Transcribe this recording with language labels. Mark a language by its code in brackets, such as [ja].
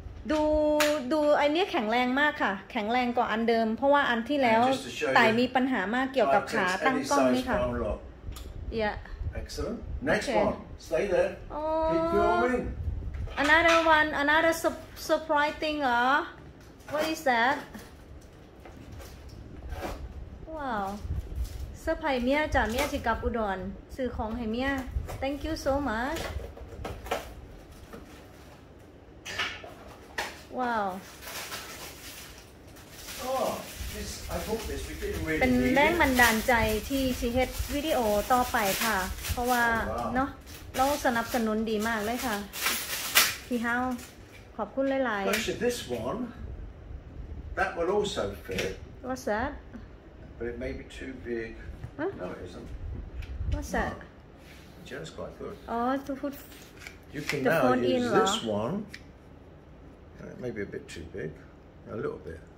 [th] ดูไอเนี้ยแข็งแรงมากค่ะแข็งแรงกว่าอันเดิมเพราะว่าอันที่แล้วไตมีปัญหามากเกี่ยวกับขาตั้งกล้องนี่ค่ะ [en] Yeah. Excellent. Next okay. one. Stay there. Keep going. Another one. Another surprise thing, What is that? Wow. [th] เซอร์ไพรส์เมียจ้ะเมียสิกลับอุดรซื้อของให้เมีย [en] Thank you so much Wow Oh this I hope this we didn't really [th] เป็นแรงบันดาลใจที่ชีเฮ็ดวิดีโอต่อไปค่ะเพราะว่าเนาะเราสนับสนุนดีมากเลยค่ะพี่เฮาขอบคุณหลาย [en] ๆ Actually this one that will also fit What's that But it may be too big Huh? No, it isn't. What's that? No. Yeah, it's quite good. Oh, to put You can now use this one. It may be a bit too big. A little bit.